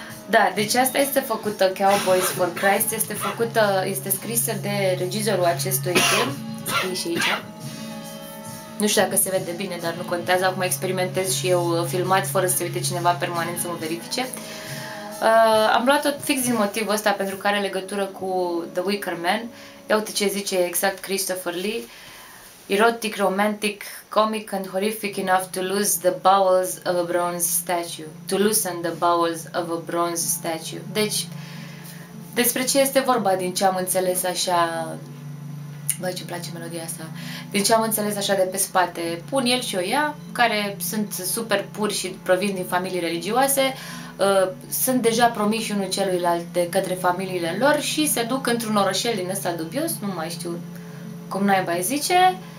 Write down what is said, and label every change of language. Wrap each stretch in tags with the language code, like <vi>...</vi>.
<ro>Da, deci asta este făcută, Cowboys for Christ, este făcută, este scrisă de regizorul acestui film, scrie și aici. Nu știu dacă se vede bine, dar nu contează, acum experimentez și eu filmat fără să se uite cineva permanent să mă verifice. Am luat-o fix din motivul ăsta pentru că are legătură cu The Wicker Man. Ia uite ce zice exact Christopher Lee.</ro> <en>Erotic, romantic, comic and horrific enough to lose the bowels of a bronze statue. To loosen the bowels of a bronze statue.</en> <ro>Deci, despre ce este vorba din ce am înțeles așa... Băi, ce-mi place melodia asta. Din ce am înțeles așa de pe spate, pun el și o ea, care sunt super puri și provin din familii religioase, sunt deja promiși unul celuilalt de către familiile lor și se duc într-un orășel din ăsta dubios, nu mai știu cum naiba îi zice.</ro>